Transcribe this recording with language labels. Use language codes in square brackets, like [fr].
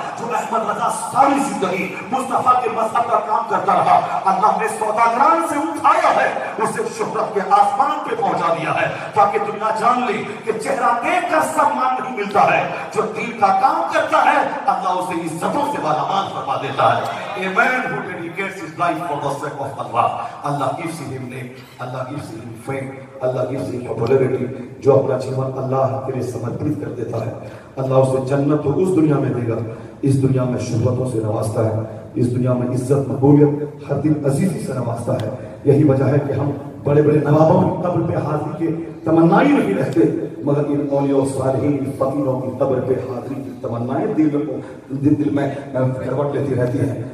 [ur] جو احمد رضا ساری زندگی مصطفیٰ کے مذہب کا کام کرتا رہا، اللہ نے سوداگران سے اٹھایا ہے، اسے شہرت کے آسمان پہ پہنچا دیا ہے تاکہ دنیا جان لے کہ چہرہ دیکھ کر سمان نہیں ملتا ہے، جو دل کا کام کرتا ہے اللہ اسے عزتوں سے والا مان فرما دیتا ہے. [en] Amen. Who dedicates his life for the sake of Allah, Allah gives him name, Allah gives him fame, Allah gives him popularity. [ur] جو اپنا جیون اللہ کے لیے سمرپت کر دیتا ہے اللہ اسے جنت تو اس دنیا میں دے گا، اس دنیا میں شہرتوں سے نوازتا ہے، اس دنیا میں عزت مقبولیت ہر دل عزیزی سے نوازتا ہے. یہی وجہ ہے کہ ہم بڑے بڑے نوابوں کی قبر پہ حاضری کے تمنائیں نہیں رہتے، مگر ان اولیاء صالحین فقیروں کی قبر پہ حاضری کی تمنائیں دل میں کروٹ لیتی رہتی ہیں.